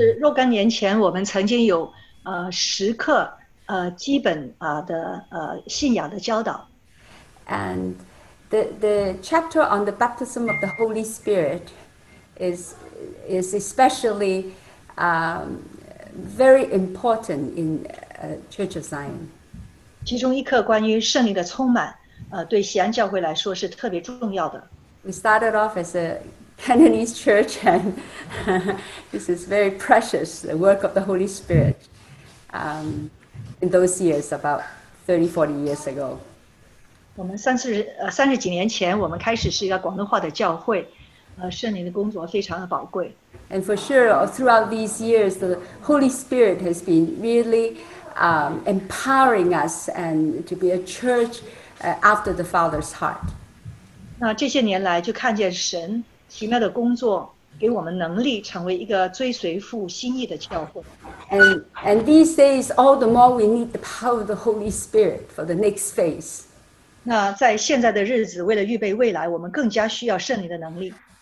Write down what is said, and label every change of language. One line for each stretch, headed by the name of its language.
Chinese: 是若干年前，我们曾经有10课基本的信仰的教导。
English: And the chapter on the baptism of the Holy Spirit is especially very important in Church of Zion.
Chinese: 其中一课关于圣灵的充满，对西安教会来说是特别重要的。
English: We started off as a Cantonese church, and this is very precious, the work of the Holy Spirit, in those years, about 30, 40 years ago.
Chinese: 我们30几年前，我们开始是一个广东话的教会，圣灵的工作非常的宝贵。
English: And for sure, throughout these years, the Holy Spirit has been really empowering us and to be a church after the Father's heart.
Chinese: 那这些年来，就看见神奇妙的工作，给我们能力成为一个追随父心意的教会。
English: And these days, all the more we need the power of the Holy Spirit for the next phase.
Chinese: 那在现在的日子，为了预备未来，我们更加需要圣灵的能力。